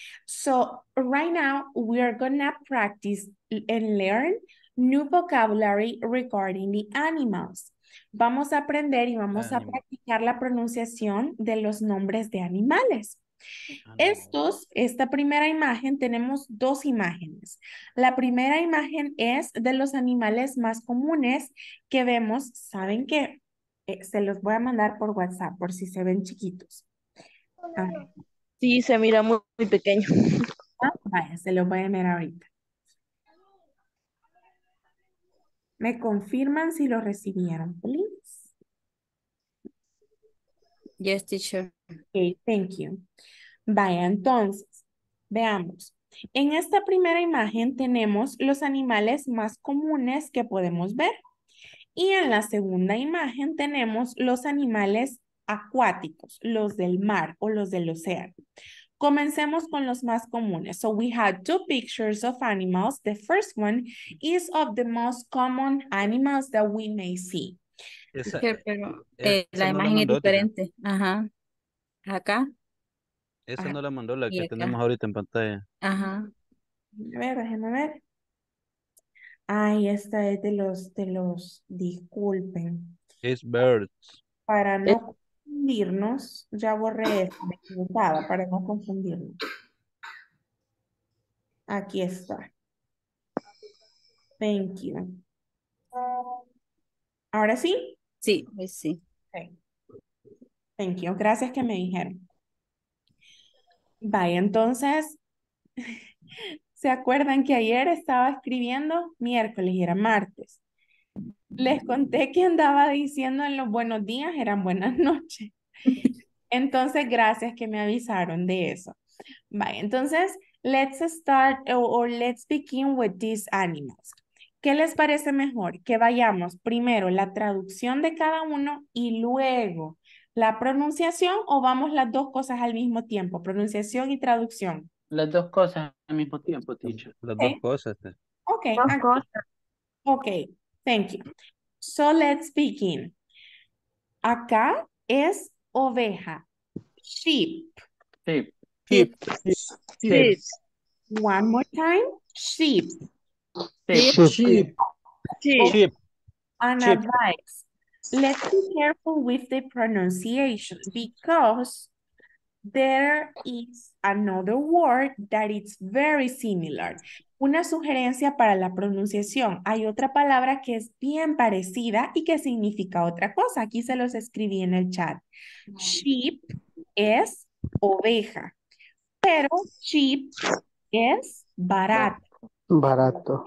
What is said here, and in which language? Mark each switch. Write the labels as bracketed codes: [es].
[en] So, right now, we are gonna practice and learn new vocabulary regarding the animals. [es] Vamos a aprender y vamos a practicar la pronunciación de los nombres de animales. Esta primera imagen, tenemos dos imágenes. La primera imagen es de los animales más comunes que vemos. ¿Saben qué? Se los voy a mandar por WhatsApp por si se ven chiquitos. Sí, se mira muy, muy pequeño. Ah, vaya, se los voy a mirar ahorita. ¿Me confirman si lo recibieron, please? [en] Yes, teacher. Okay, thank you. [es] Vaya, entonces, veamos. En esta primera imagen tenemos los animales más comunes que podemos ver. Y en la segunda imagen tenemos los animales acuáticos, los del mar o los del océano. Comencemos con los más comunes. [en] So we had two pictures of animals. The first one is of the most common animals that we may see. [es] Pero la imagen es diferente. Ajá. Acá. Esa ajá. No la mandó la que tenemos ahorita en pantalla. Ajá. A ver, déjenme ver. Ay, esta es de los, disculpen. [en] It's birds. [es] Para no confundirnos, ya borré esta, para no confundirnos. Aquí está. [en] Thank you. [es] ¿Ahora sí? Sí, hoy sí. [en] Okay. Thank you. [es] Gracias que me dijeron. Vaya, entonces, ¿se acuerdan que ayer estaba escribiendo miércoles y era martes? Les conté que andaba diciendo en los buenos días, eran buenas noches. Entonces, gracias que me avisaron de eso. Vaya, entonces, [en] let's start or let's begin with these animals. [es] ¿Qué les parece mejor? Que vayamos primero la traducción de cada uno y luego la pronunciación, o vamos las dos cosas al mismo tiempo, pronunciación y traducción. Las dos cosas al mismo tiempo, teacher. Las dos cosas. [en] Okay. [es] Dos cosas. [en] Okay. Thank you. So let's begin. [es] Acá es oveja. Sheep. [en] Sheep. Sheep. Sheep. One more time. Sheep. Sheep. Sheep. Sheep. And advice. Let's be careful with the pronunciation because there is another word that is very similar. [es] Una sugerencia para la pronunciación. Hay otra palabra que es bien parecida y que significa otra cosa. Aquí se los escribí en el chat. Sheep es oveja, pero sheep es barato. Barato.